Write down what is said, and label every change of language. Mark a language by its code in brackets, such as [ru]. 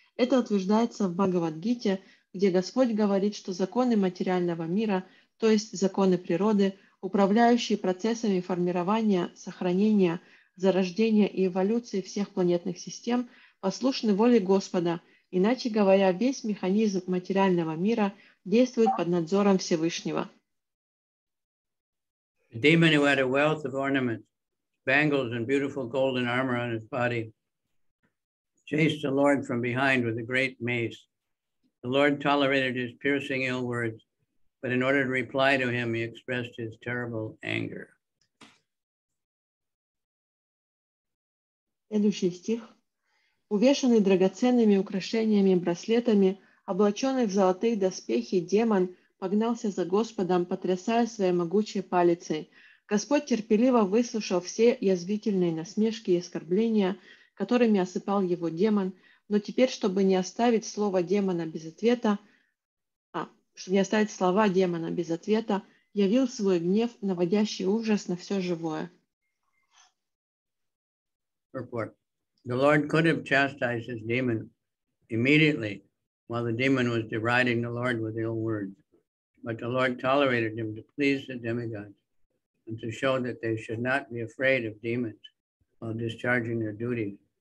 [ru] Это утверждается в Бхагавадгите, где Господь говорит, что законы материального мира, то есть законы природы, управляющие процессами формирования, сохранения, зарождения и эволюции всех планетных систем, послушны воле Господа, иначе говоря, весь механизм материального мира действует под надзором Всевышнего. [en] Demon who had a wealth of ornaments, bangles and beautiful golden armor on his body, chased the Lord from behind with a great mace. The Lord tolerated his piercing ill words, but in order to reply to him, he expressed his terrible anger. [ru] Следующий стих. Увешанный драгоценными украшениями и браслетами, облаченный в золотые доспехи, демон погнался за Господом, потрясая своей могучей палицей. Господь терпеливо выслушал все язвительные насмешки и оскорбления, которыми осыпал его демон. Но теперь, чтобы не оставить слово демона без ответа, чтобы не оставить слова демона без ответа, явил свой гнев, наводящий ужас на все живое. [en] Report. The Lord could have chastised his demon immediately while the demon was deriding the Lord with ill words. But the Lord tolerated him to please the demigods and to show that they should not be afraid of demons while discharging their duty.